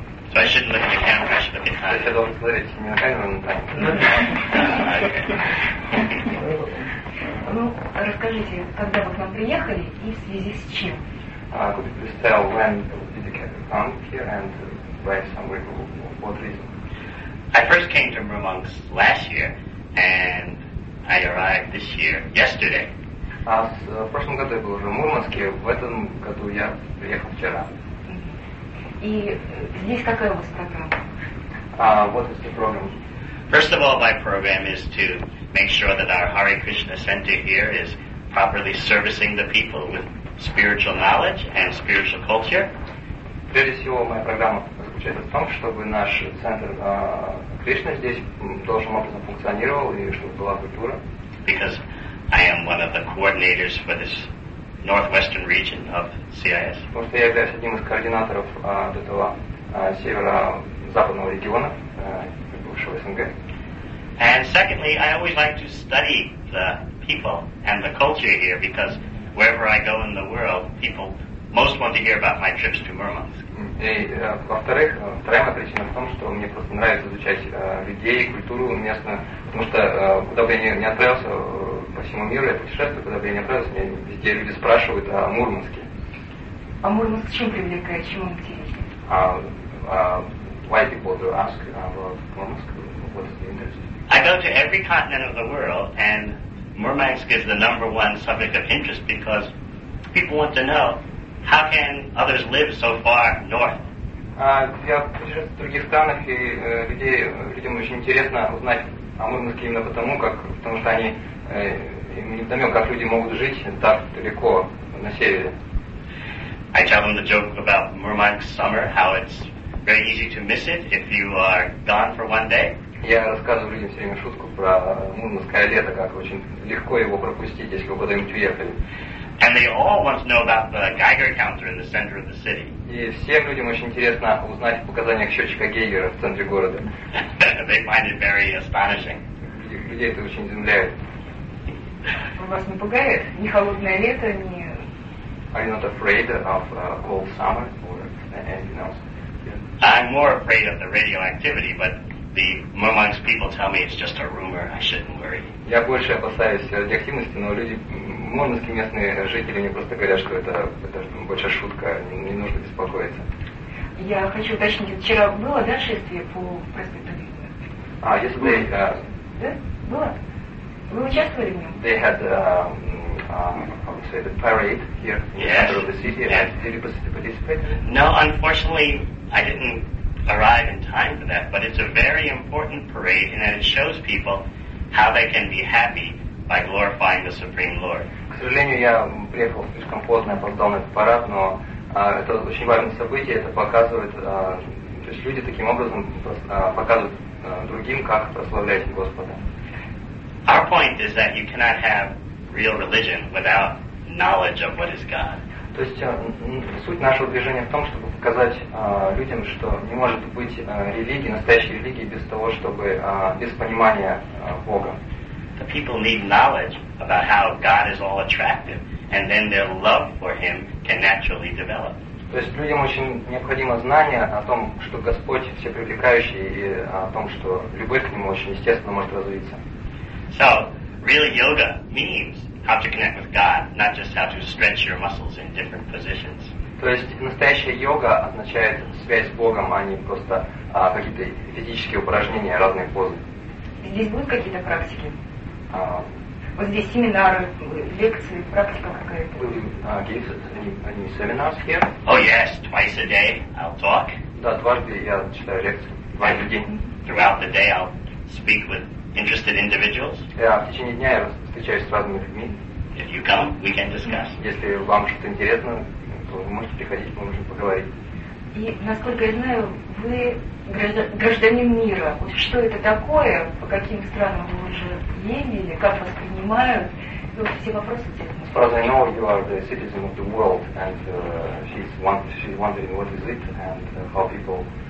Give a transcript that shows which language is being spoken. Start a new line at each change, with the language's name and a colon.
English: So I shouldn't look at the camera, I should look at Tanya. I said, don't look at the camera, I'm not going to look at
Russian: Ну, расскажите, когда вы к нам приехали и в связи с чем?
English: Could you please tell when did you get from here and why somewhere, what reason? I first came to Murmansk last year and I arrived this year, yesterday.
Russian: В прошлом году я был уже в Мурманске, в этом году я приехал вчера. И здесь какая у вас программа?
English: What is the program? First of all, my program is to make sure that our Hare Krishna Center here is properly servicing the people with spiritual knowledge and spiritual culture.
Russian: Прежде всего, моя программа заключается в том, чтобы наш центр Кришны здесь должным образом функционировал и чтобы была культура.
English: Because I am one of the coordinators for this northwestern region of CIS.
Russian: Потому что я являюсь одним из координаторов этого северо-западного региона бывшего СНГ.
English: And secondly, I always like to study the people and the culture here because wherever I go in the world, people most want to hear about my trips to Murmansk.
Russian: И во-вторых, вторая моя причина в том, что мне просто нравится изучать людей, культуру местную, потому что куда бы я ни отправился по всему миру, я путешествую, куда бы я ни отправился, меня везде люди спрашивают о Мурманске. А Мурманск чем привлекает, чем он интересен?
English: Why people do ask about Murmansk? What's the interest? I go to every continent of the world, and Murmansk is the number one subject of interest because people want to know how can others live so far north.
Russian: Я путешествую в других странах, и людям очень интересно узнать о Мурманске именно потому что они не знают, как люди могут жить так далеко на севере.
English: I tell them the joke about Murmansk summer, how it's very easy to miss it if you are gone for one day.
Russian: Я рассказываю людям все время шутку про мурманское лето, как очень легко его пропустить, если вы куда-нибудь уехали.
English: And they all want to know about the Geiger counter in the center of the city.
Russian: И всем людям очень интересно узнать о показаниях счетчика Гейгера в центре города.
English: They find it very astonishing.
Russian: Людей это очень изумляет. Вас не пугает ни холодное лето, ни...
English: Are you not afraid of cold summer or anything else? Yeah. I'm more afraid of the radioactivity, but the Murmansk people tell me it's just a rumor, I shouldn't worry.
Russian: Я больше опасаюсь радиоактивности, но люди, мурманские местные жители, мне просто говорят, что это больше шутка, не нужно беспокоиться. Я хочу уточнить, вчера было, да, шествие по проспекту Ленина?
English: Yesterday,
Russian: да? Было? Вы участвовали в нем?
English: They had, I would say, the parade here in yes. the center of the city. Yes. Did you participate? No, unfortunately, I didn't arrive in time for that, but it's a very important parade in that it shows people how they can be happy by glorifying the Supreme Lord.
Russian: К сожалению, я приехал слишком поздно, опоздал на этот парад, но это очень важное событие, это показывает, то есть люди таким образом показывают другим, как прославлять Господа.
English: Our point is that you cannot have real religion without knowledge of what is God.
Russian: То есть суть нашего движения в том, чтобы показать людям, что не может быть религии, настоящей религии, без того, чтобы без понимания Бога.
English: The people need knowledge about how God is all attractive, and then their love for Him can naturally develop.
Russian: То есть людям очень необходимо знание о том, что Господь всепривлекающий, и о том, что любовь к Нему очень естественно может развиться.
English: So, real yoga means how to connect with God, not just how to stretch your muscles in different positions.
Russian: То есть настоящая йога означает связь с Богом, а не просто какие-то физические упражнения, разные позы. Здесь будут какие-то практики? Вот здесь семинары, лекции, практика какая-то?
English: Will you give any seminars here? Oh yes, twice a day I'll talk.
Russian: Да, дважды я читаю лекции, дважды в день.
English: Throughout the day I'll speak with interested individuals.
Russian: Да, в течение дня я встречаюсь с разными людьми.
English: If you come, we can discuss.
Russian: Если вам что-то интересно, вы можете приходить, мы можем поговорить. И, насколько я знаю, вы гражданин мира. Вот что это такое? По каким странам вы уже ездили? Как вас принимают? И вот все вопросы те.
English: As far as I know, you are the citizen of the world, and she's wondering what is it and how people